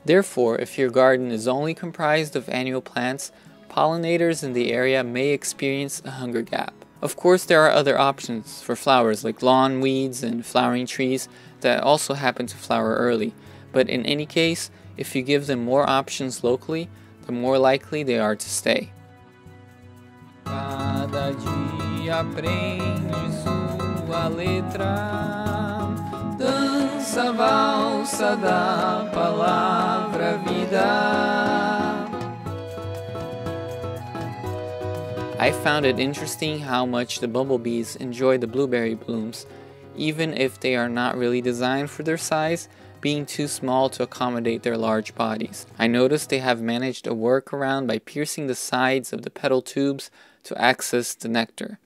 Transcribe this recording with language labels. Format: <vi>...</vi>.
<en>Therefore, if your garden is only comprised of annual plants, pollinators in the area may experience a hunger gap. Of course, there are other options for flowers, like lawn weeds and flowering trees that also happen to flower early. But in any case, if you give them more options locally, the more likely they are to stay.</en> <pt>Cada dia aprende sua letra, dança valsa da palavra vida.</pt> <en>I found it interesting how much the bumblebees enjoy the blueberry blooms, even if they are not really designed for their size, being too small to accommodate their large bodies. I noticed they have managed a workaround by piercing the sides of the petal tubes to access the nectar.</en>